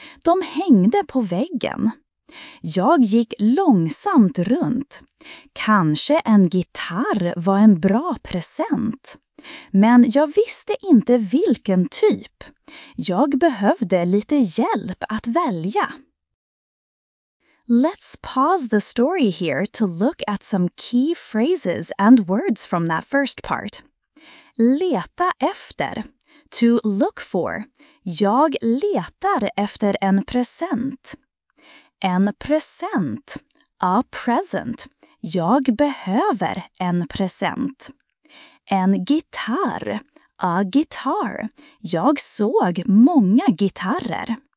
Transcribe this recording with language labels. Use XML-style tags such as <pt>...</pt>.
<sv>De hängde på väggen. Jag gick långsamt runt. Kanske en gitarr var en bra present. Men jag visste inte vilken typ. Jag behövde lite hjälp att välja.</sv> <en>Let's pause the story here to look at some key phrases and words from that first part.</en> <sv>Leta efter.</sv> <en>To look for.</en> <sv>Jag letar efter en present. En present.</sv> <en>A present.</en> <sv>Jag behöver en present. En gitarr.</sv> <en>A guitar.</en> <sv>Jag såg många gitarrer.</sv>